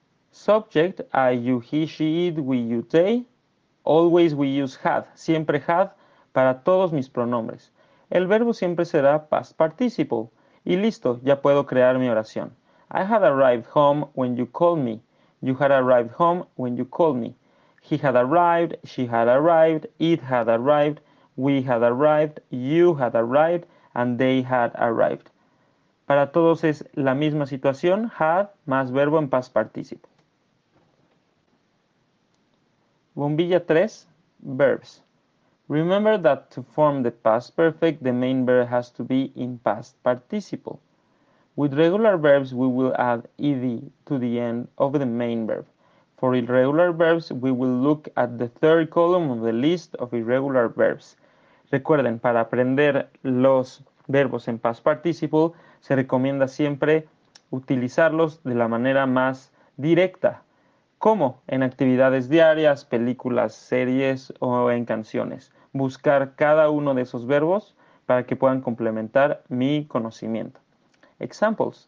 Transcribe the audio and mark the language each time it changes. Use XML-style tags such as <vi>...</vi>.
<en>Subject, I, you, he, she, it, we, you, they. Always we use had,</en> <es>siempre had, para todos mis pronombres. El verbo siempre será past participle. Y listo, ya puedo crear mi oración.</es> <en>I had arrived home when you called me. You had arrived home when you called me. He had arrived, she had arrived, it had arrived, we had arrived, you had arrived, and they had arrived.</en> <es>Para todos es la misma situación, had más verbo en past participle. Bombilla 3, verbs.</es> <en>Remember that to form the past perfect, the main verb has to be in past participle. With regular verbs, we will add ed to the end of the main verb. For irregular verbs, we will look at the third column of the list of irregular verbs.</en> <es>Recuerden, para aprender los verbos en past participle, se recomienda siempre utilizarlos de la manera más directa. ¿Cómo? En actividades diarias, películas, series o en canciones. Buscar cada uno de esos verbos para que puedan complementar mi conocimiento. Examples.</es>